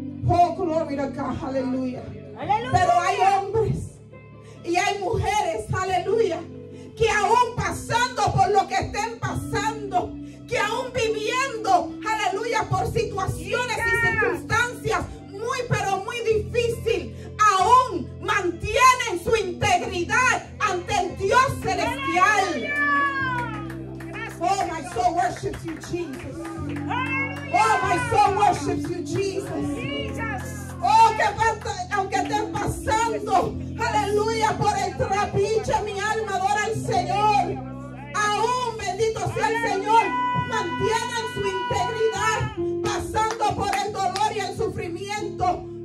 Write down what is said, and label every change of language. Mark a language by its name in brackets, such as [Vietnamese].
[Spanish] Oh, gloria a Dios, aleluya. Pero hay hombres y hay mujeres, aleluya, que aún pasando por lo que estén pasando, que aún viviendo, aleluya, por situaciones y circunstancias muy pero muy difícil, aún mantienen su integridad ante el Dios celestial. [English] Oh, my soul worships you, Jesus. Oh, my soul worships you, Jesus. [Spanish] Oh, que aunque estén pasando, aleluya, por el trapiche, mi alma adora al Señor. Aún, bendito sea el Señor, mantienen su integridad pasando por el dolor y el sufrimiento.